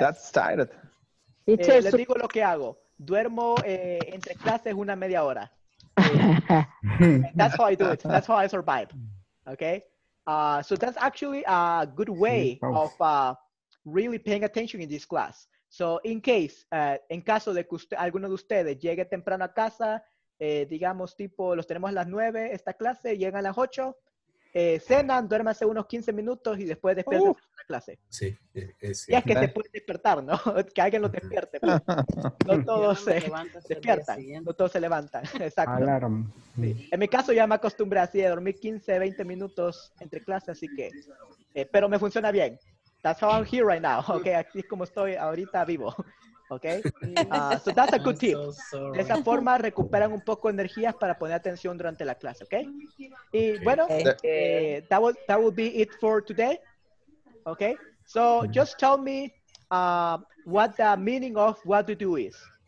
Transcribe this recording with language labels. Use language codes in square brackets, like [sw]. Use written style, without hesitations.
[en] That's tired. [es] Les digo lo que hago. Duermo entre clases una media hora. [en] That's how I do it. That's how I survive. [es] Okay. [en] So that's actually a good way of really paying attention in this class. So in case, [es] en caso de que usted, alguno de ustedes llegue temprano a casa, digamos tipo, los tenemos a las 9 esta clase, llegan a las 8, cenan, duérmase unos 15 minutos y después despierten la clase. Sí, es, y es que se puede despertar, ¿no? Que alguien lo despierte. Pues. No todos se despiertan, no todos se levantan. Exacto. [en] Alarm. [es] Sí. En mi caso ya me acostumbré así de dormir 15, 20 minutos entre clases, así que, pero me funciona bien. [en] That's how I'm here right now. Okay, [es] así es como estoy ahorita vivo. [en] Okay, so that's a good tip. [es] De esa forma recuperan un poco energías para poner atención durante la clase. [en] Okay. [es] Y bueno, [en] that will be it for today. Okay. So just tell me what the meaning of what to do is.